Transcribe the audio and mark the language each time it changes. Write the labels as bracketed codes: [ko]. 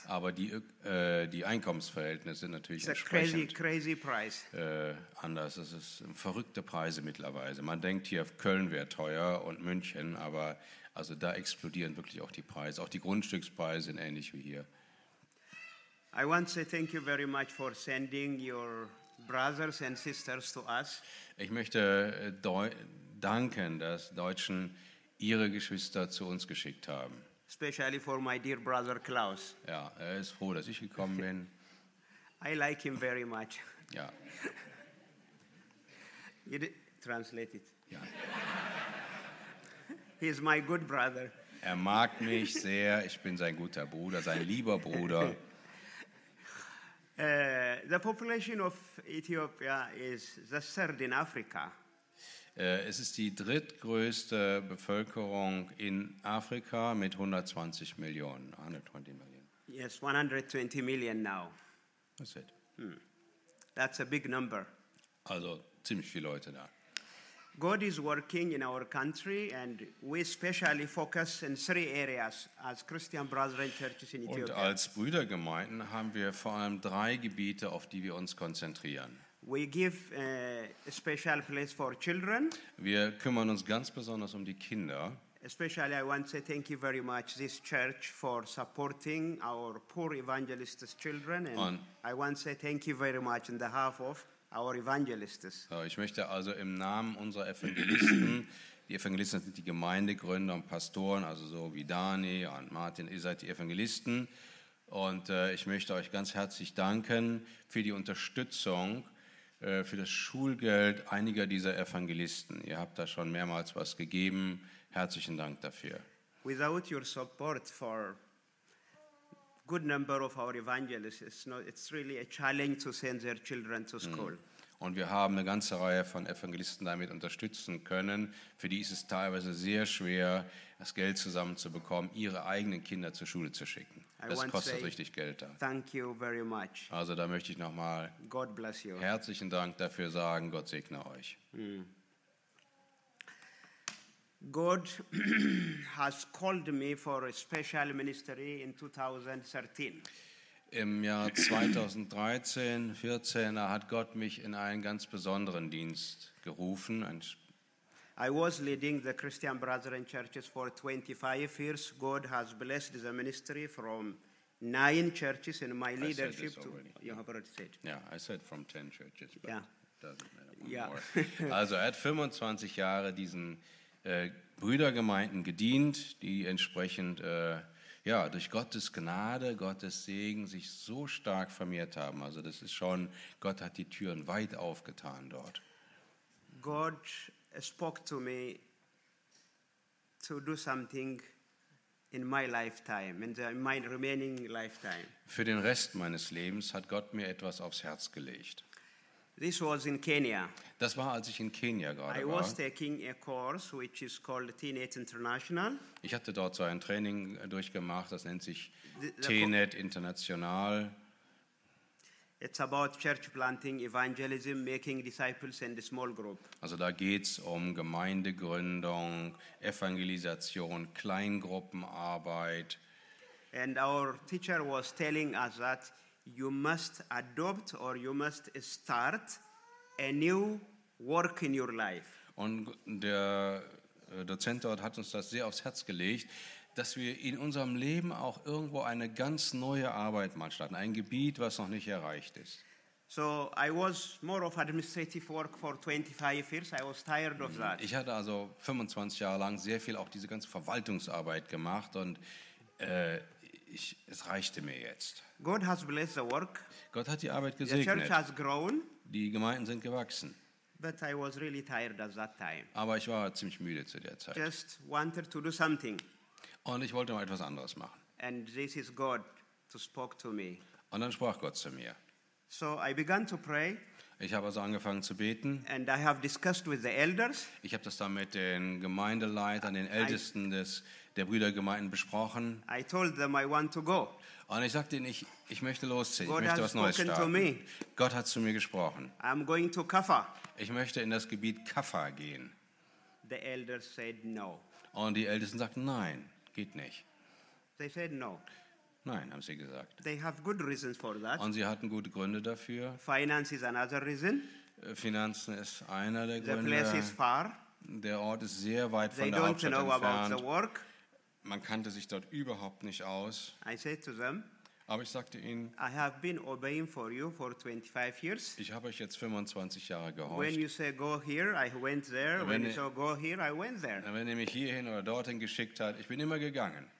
[de] Aber die Einkommensverhältnisse sind natürlich [en] it's [de] entsprechend [en] crazy price. [de] Anders. Es sind verrückte Preise mittlerweile. Man denkt hier, Köln wäre teuer und München, aber also da explodieren wirklich auch die Preise. Auch die Grundstückspreise sind ähnlich wie hier. [en] I want to thank you very much for sending your brothers and sisters to us. [de] Ich möchte danken, dass Deutschen ihre Geschwister zu uns geschickt haben. [en] Especially for my dear brother Klaus. [de] Ja, er ist froh, dass ich gekommen bin. [en] I like him very much. [de] Ja. [en] Translate it. [de] Ja. [en] He is my good brother. [de] Er mag mich sehr. Ich bin sein guter Bruder, sein lieber Bruder. [en] The population of Ethiopia is the third in Africa. [de] Es ist die drittgrößte Bevölkerung in Afrika mit 120 Millionen, 120 Millionen. [en] Yes, 120 million now. That's it. Hmm. That's a big number. [de] Also ziemlich viele Leute da. [en] God is working in our country and we especially focus in three areas as Christian Brethren Churches in Ethiopia. [de] Und als Brüdergemeinden haben wir vor allem drei Gebiete, auf die wir uns konzentrieren. [en] We give a special place for children. [de] Wir kümmern uns ganz besonders um die Kinder. [en] Especially I want to say thank you very much this church for supporting our poor evangelists' children and I want to say thank you very much on behalf of our evangelists. [de] Ich möchte also im Namen unserer Evangelisten, die Evangelisten sind die Gemeindegründer und Pastoren, also so wie Dani und Martin, ihr seid die Evangelisten. Und ich möchte euch ganz herzlich danken für die Unterstützung, für das Schulgeld einiger dieser Evangelisten. Ihr habt da schon mehrmals was gegeben. Herzlichen Dank dafür. [en] Without your support for good number of our evangelists, it's really a challenge to send their children to school. [de] Und wir haben eine ganze Reihe von Evangelisten damit unterstützen können. Für die ist es teilweise sehr schwer, das Geld zusammenzubekommen, ihre eigenen Kinder zur Schule zu schicken. Das kostet richtig Geld da. [en] Thank you very much. [de] Also da möchte ich nochmal herzlichen Dank dafür sagen. Gott segne euch. [en] God has called me for a special ministry in 2013. [de] Im Jahr 2013, 14 hat Gott mich in einen ganz besonderen Dienst gerufen. [en] I was leading the Christian Brethren churches for 25 years. God has blessed the ministry from 9 churches in my leadership. I said this already. You have already said. Yeah, I said from 10 churches, but yeah. Doesn't matter. [de] Also er hat 25 Jahre diesen Brüdergemeinden gedient, die entsprechend ja, durch Gottes Gnade, Gottes Segen sich so stark vermehrt haben. Also das ist schon, Gott hat die Türen weit aufgetan dort. [en] Gott spoke to me to do something in my lifetime, in my remaining lifetime. [de] Für den Rest meines Lebens hat Gott mir etwas aufs Herz gelegt. [en] This was in Kenya. [de] Das war, als ich in Kenia gerade war. [en] I was taking a course which is called TNET International. [de] Ich hatte dort so ein Training durchgemacht, das nennt sich TNET International. [en] It's about church planting, evangelism, making disciples and a small group. [de] Also da geht's um Gemeindegründung, Evangelisation, Kleingruppenarbeit. [en] And our teacher was telling us that you must adopt or you must start a new work in your life. [de] Und der Dozent dort hat uns das sehr aufs Herz gelegt, dass wir in unserem Leben auch irgendwo eine ganz neue Arbeit mal starten, ein Gebiet, was noch nicht erreicht ist. [en] So I was more of administrative work for 25 years. I was tired of that. [de] Ich hatte also 25 Jahre lang sehr viel auch diese ganze Verwaltungsarbeit gemacht und es reichte mir jetzt. [en] God has blessed the work. [de] Gott hat die Arbeit gesegnet. [en] The church has grown. [de] Die Gemeinden sind gewachsen. [en] But I was really tired at that time. [de] Aber ich war ziemlich müde zu der Zeit. [en] Just wanted to do something. [de] Und ich wollte mal etwas anderes machen. [en] And this is God who spoke to me. [de] Und dann sprach Gott zu mir. [en] So I began to pray. [de] Ich habe also angefangen zu beten. [en] And I have discussed with the elders. [de] Ich habe das dann mit den Gemeindeleitern, den Ältesten der Brüdergemeinden besprochen. [en] I told them I want to go. [de] Und ich sagte ihnen, ich möchte losziehen, ich möchte was Neues starten. [en] To me. [de] Gott hat zu mir gesprochen. [en] I'm going to Kaffa. [de] Ich möchte in das Gebiet Kaffa gehen. [en] The elders said no. [de] Und die Ältesten sagten, nein, geht nicht. [en] They said no. [de] Nein, haben sie gesagt. [en] They have good reasons for that. [de] Und sie hatten gute Gründe dafür. [en] Finance is another reason. [de] Finanzen ist einer der Gründe. [en] The place is far. [de] Der Ort ist sehr weit von der Hauptstadt entfernt. [en] They don't know about the work. [de] Man kannte sich dort überhaupt nicht aus. [en] I said to them, [de] aber ich sagte ihnen, [en] I have been obeying for you for 25 years. [de] Ich habe euch jetzt 25 Jahre gehorcht. [en] When you say go here, I went there. [de] Wenn [en] you say go here, I went there. [de] Wenn ihr mich hierhin oder dorthin geschickt habt, ich bin immer gegangen.